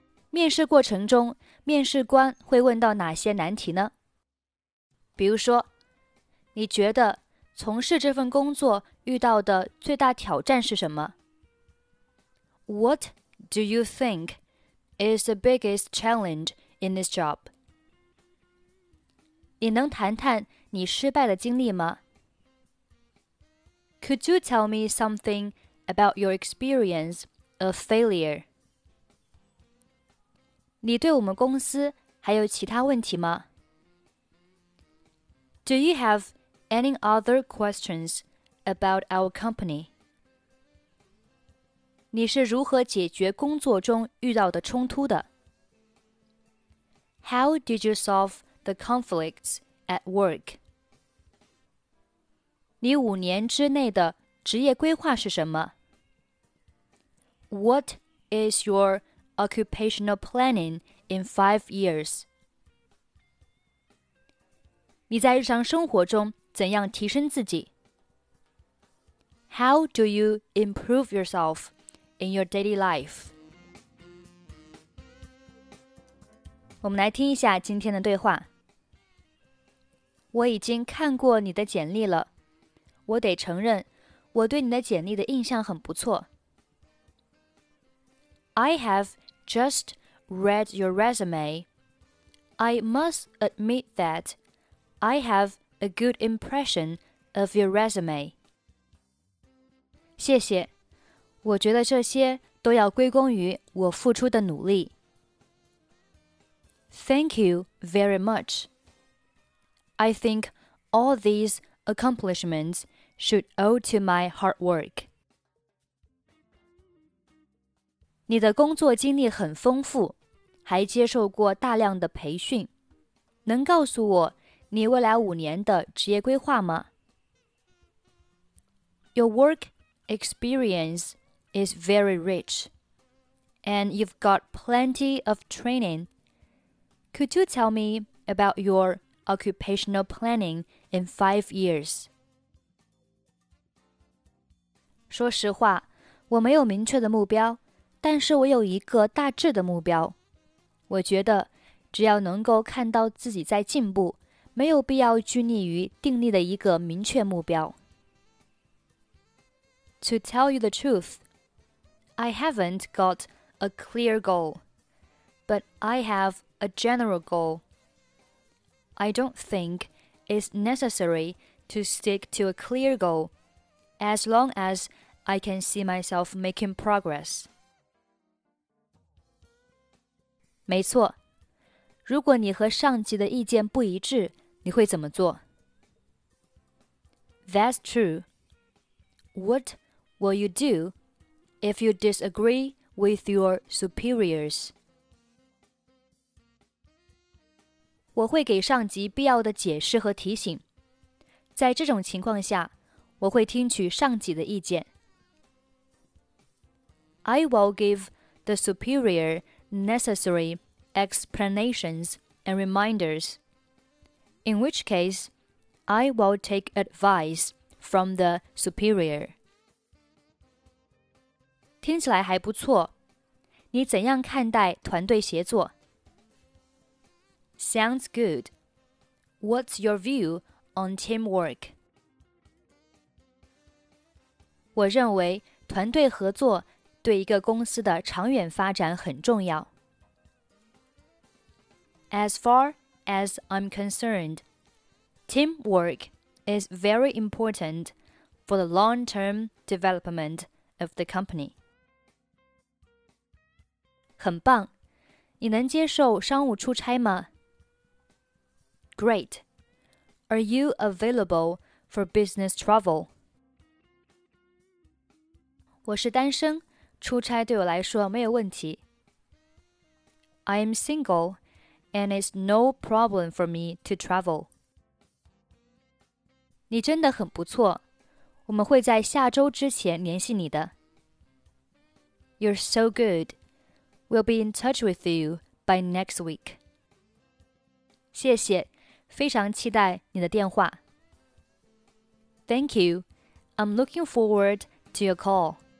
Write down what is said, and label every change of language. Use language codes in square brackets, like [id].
[zh] 面试过程中，面试官会问到哪些难题呢？比如说，你觉得从事这份工作遇到的最大挑战是什么？ [en] What do you think is the biggest challenge in this job? [zh] 你能谈谈你失败的经历吗？ [en] Could you tell me something about your experience of failure? [zh] 你对我们公司还有其他问题吗？ [en] Do you have any other questions about our company? [zh] 你是如何解决工作中遇到的冲突的？ [en] How did you solve the conflicts? At work. [zh] 你五年之内的职业规划是什么？ [en] What is your occupational planning in 5 years? [zh] 你在日常生活中怎样提升自己？ [en] How do you improve yourself in your daily life? [zh] 我们来听一下今天的对话。我已经看过你的简历了。我得承认，我对你的简历的印象很不错。 [en] I have just read your resume. I must admit that I have a good impression of your resume. [zh] 谢谢，我觉得这些都要归功于我付出的努力。 [en] Thank you very much. I think all these accomplishments should owe to my hard work. [zh] 你的工作经历很丰富，还接受过大量的培训。能告诉我你未来五年的职业规划吗？ [en] Your work experience is very rich, and you've got plenty of training. Could you tell me about your... Occupational planning in 5 years. [zh] 说实话，我没有明确的目标，但是我有一个大致的目标。我觉得，只要能够看到自己在进步，没有必要拘泥于定立的一个明确目标。 [en] To tell you the truth, I haven't got a clear goal, but I have a general goal. I don't think it's necessary to stick to a clear goal, as long as I can see myself making progress. [zh] 没错，如果你和上级的意见不一致，你会怎么做？ [en] That's true. What will you do if you disagree with your superiors? [zh] 我会给上级必要的解释和提醒。在这种情况下，我会听取上级的意见。 [en] I will give the superior necessary explanations and reminders. In which case, I will take advice from the superior. [zh] 听起来还不错。你怎样看待团队协作？ [en] Sounds good. What's your view on teamwork? [zh] 我认为团队合作对一个公司的长远发展很重要。 [en] As far as I'm concerned, teamwork is very important for the long-term development of the company. [zh] 很棒，你能接受商务出差吗？ [en] Great. Are you available for business travel? [zh] 我是单身，出差对我来说没有问题。 [en] I am single, and it's no problem for me to travel. [zh] 你真的很不错，我们会在下周之前联系你的。 [en] You're so good. We'll be in touch with you by next week. [zh] 谢谢。非常期待你的电话。 [en] Thank you. I'm looking forward to your call.